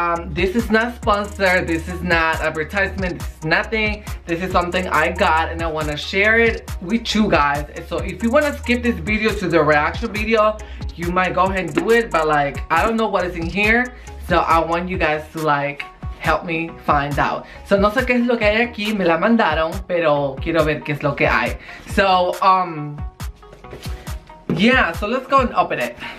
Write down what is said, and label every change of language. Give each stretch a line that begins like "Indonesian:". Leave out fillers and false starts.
English: This is not sponsored, this is not advertisement, this is nothing. This is something I got and I want to share it with you guys. So if you want to skip this video to the reaction video, you might go ahead and do it, but like, I don't know what is in here, so I want you guys to like help me find out.
Spanish: So no sé qué es lo que hay aquí, me la mandaron, pero quiero ver qué es lo que hay.
English: So yeah, so let's go and open it.